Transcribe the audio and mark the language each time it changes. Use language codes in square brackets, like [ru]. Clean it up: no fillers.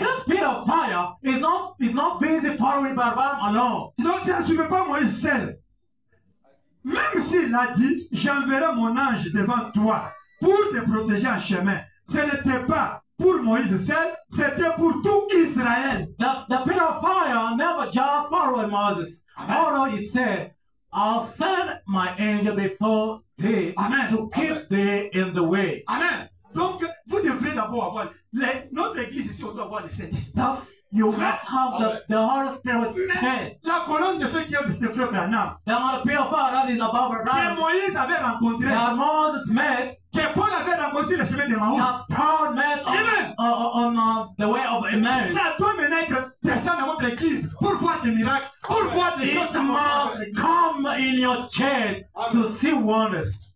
[en] This pillar of fire is not busy following Branham alone. [fr] Donc ça ne suivait pas Moïse seul. Même s'il a dit, j'enverrai mon ange devant toi pour te protéger en chemin. Ce n'était pas pour Moïse seul, c'était pour tout Israël. [en] The pillar of fire never just followed Moses. Amen. Oh, he said, I'll send my angel before thee. Amen. To keep Amen. Thee in the way. Amen. [fr] Donc, vous devrez d'abord avoir notre église ici, on doit avoir le Saint-Esprit. [en] You must have the Holy Spirit first. [fr] La colonne de feu qui est de frère Branham. [en] The pillar of fire that is above Branham. [fr] Que Moïse avait rencontré. [en] That Moses met. [fr] Que Paul avait rencontré le chemin de Maus. [en] That Paul met on the way of Emmaus. [fr] Ça doit maintenant descendre dans votre église pour voir des miracles, pour voir des choses. [en] It must come in your church to see wonders.